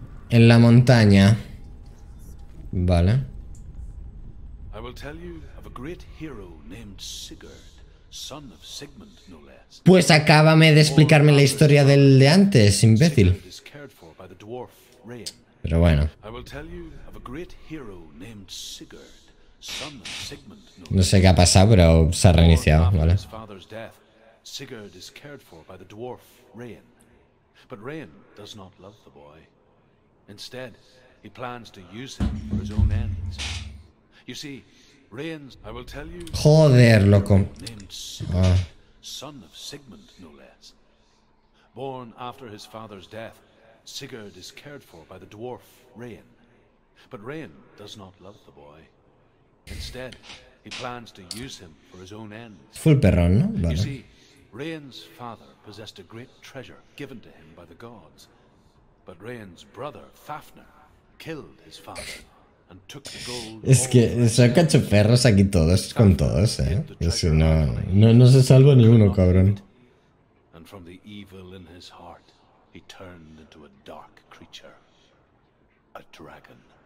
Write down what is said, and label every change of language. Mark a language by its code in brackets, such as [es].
[es] En la montaña. Vale. [en] I will tell you of a great hero named Sigurd, son of Sigmund, no less. [es] Pues acábame de explicarme la historia del de antes, imbécil. [en] Sigurd is cared for by the dwarf Rein. [es] Pero bueno. [en] I will tell you of a great hero named Sigurd, son of Sigmund, no [es] no sé qué ha pasado, pero se ha reiniciado, ¿vale? [en] His father's death, Sigurd is cared for by the dwarf Rein. But Rein does not love the boy. Instead, he plans to use him for his own ends. You see, Rains, I will tell you. [es] Joder, loco. [en] Named Sigurd, son of Sigmund, no less. Born after his father's death, Sigurd is cared for by the dwarf Rain. But Rain does not love the boy. Instead, he plans to use him for his own ends. [es] Full perrón, ¿no? Vale. [en] You see, Rain's father possessed a great treasure given to him by the gods. But Rain's brother, Fafnir, killed his father. And took the gold. [es] Es que son cachoperros aquí todos, con todos, Es que no se salva ni uno, cabrón. [en] And from the evil in his heart, he turned into a dark creature, a dragon.